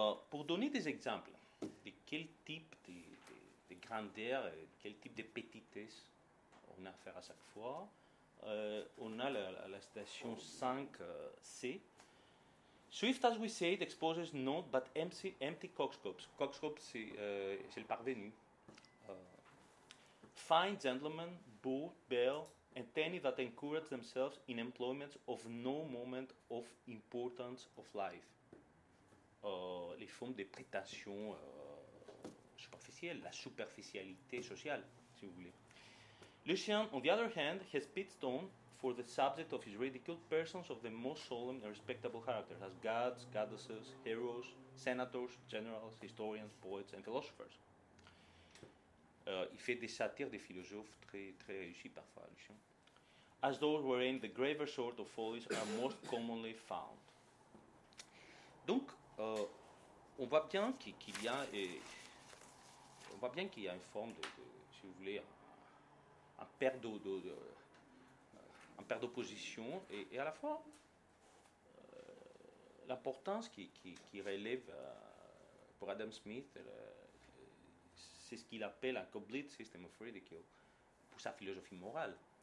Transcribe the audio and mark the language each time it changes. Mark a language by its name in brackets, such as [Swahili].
[French] Pour donner des exemples de quel type de grandeur, quel type de petitesse on a affaire à chaque fois, on a la citation 5C. [English] Swift, as we said, exposes not but empty coxcombs. Coxcombs, [French] c'est le parvenu. [English] Fine gentlemen, beau, belle, and any that encourage themselves in employments of no moment of importance of life. [French] Les formes de prétention superficielle, la superficialité sociale, si vous voulez. [English] Lucien, on the other hand, has pitched on for the subject of his ridicule persons of the most solemn and respectable character, as gods, goddesses, heroes, senators, generals, historians, poets, and philosophers. [French] Il fait des satires des philosophes très, très réussis parfois, Lucien. [English] As those wherein the graver sort of follies are most commonly found. [French] Donc, on voit bien qu'il y a une forme de si vous voulez, un paire d'opposition et à la fois l'importance qui relève pour Adam Smith, c'est ce qu'il appelle un [English] complete system of ridicule [French] pour sa philosophie morale.